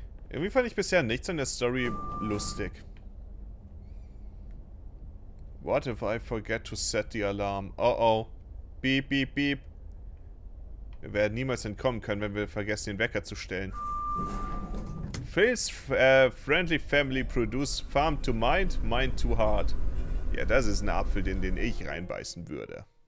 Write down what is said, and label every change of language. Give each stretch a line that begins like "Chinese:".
German: Irgendwie fand ich bisher nichts an der Story lustig.
English: What if I forget to set the alarm? Oh. Beep, beep, beep.
German: Wir werden niemals entkommen können, wenn wir vergessen, den Wecker zu stellen.
English: Phil's friendly family produce farm to mind, mind to heart.
German: Ja, das ist ein Apfel, den ich reinbeißen würde.